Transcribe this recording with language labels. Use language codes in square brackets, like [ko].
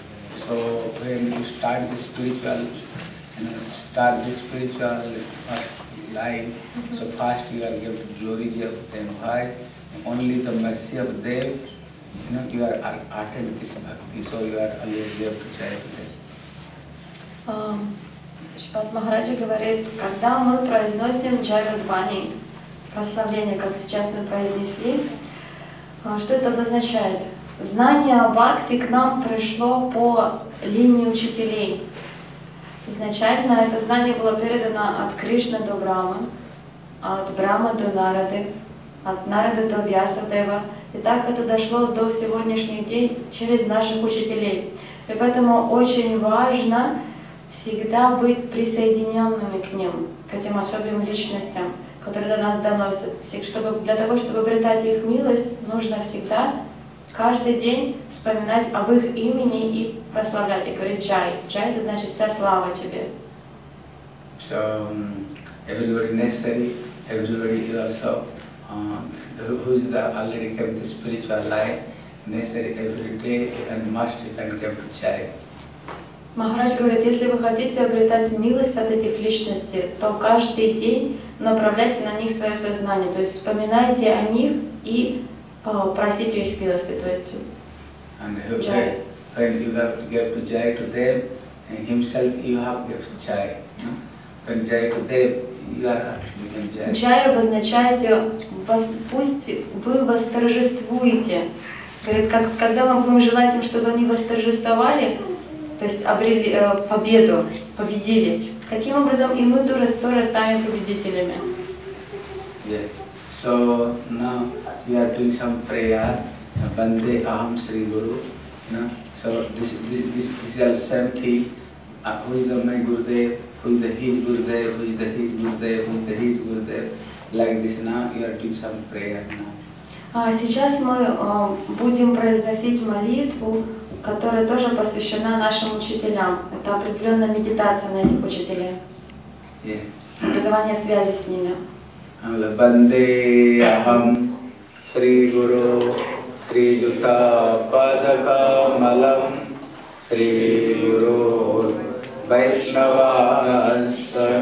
[en] So, when you start the spiritual, and start the spiritual line, so first you are given glory of them. Why? Only the mercy of them, you know, you are attend this bhakti, so you are always there to chant with them. [ru] Шипат Махараджа говорит, когда мы произносим джайвадвани, прославление, как сейчас мы произнесли, что это обозначает? Знание о бхакти к нам пришло по линии учителей. Изначально это знание было передано от Кришны до Брамы, от Брамы до Нарады, от Нарады до Вьясадева. И так это дошло до сегодняшних дней через наших учителей. И поэтому очень важно всегда быть присоединенными к ним, к этим особым личностям, которые до нас доносят. Чтобы, для того, чтобы обретать их милость, нужно всегда, каждый день вспоминать об их имени и прославлять, и говорить «Джай». «Джай» — это значит «Вся слава тебе». [en] So, everybody necessary, everybody also, who is the already kept the spiritual life, necessary every day and must kept the «Джай». [ru] Махарадж говорит, если вы хотите обретать милость от этих личностей, то каждый день направляйте на них свое сознание, то есть вспоминайте о них и просите их милости, то есть [en] and джай. When you have to give джай to them, and himself you have to give джай. When джай to them, you are actually giving джай. [ru] Джай обозначает, пусть вы восторжествуете. Говорит, когда мы будем желать им, чтобы они восторжествовали, то есть обрели победу, победили. Таким образом и мы тоже станем победителями. [en] Yeah. So now we are doing some prayer, Bande Aham Sri Guru. No? So this is the same thing. Who is the my Gurudev? Who is the his Gurudev? Who is the his Gurudev? Who is the his Gurudev? Like this now you are doing some prayer now. [ru] Сейчас мы будем произносить молитву, которая тоже посвящена нашим учителям. Это определенная медитация на этих учителей. [en] Yeah. [ru] Образование связи с ними. [sa] Банде Ахам Шри Гуру Шри Юта Пада Камалам Шри Гуру Вайшнаванс